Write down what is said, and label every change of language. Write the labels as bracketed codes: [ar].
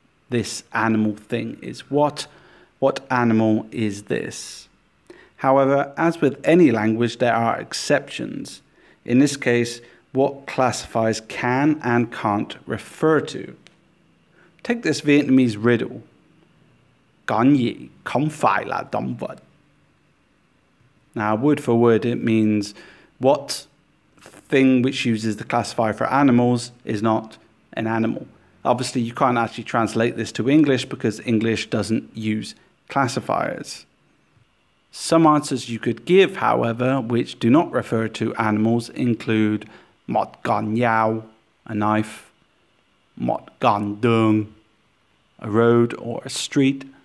[en] This animal thing is what? What animal is this? However, as with any language, there are exceptions. In this case, what classifiers can and can't refer to. Take this Vietnamese riddle. [vi] Con gì không phải là động vật. [en] Now, word for word, it means what thing which uses the classifier for animals is not an animal. Obviously, you can't actually translate this to English because English doesn't use classifiers. Some answers you could give, however, which do not refer to animals include [vi] một con dao, [en] a knife, [vi] một con đường, [en] a road or a street,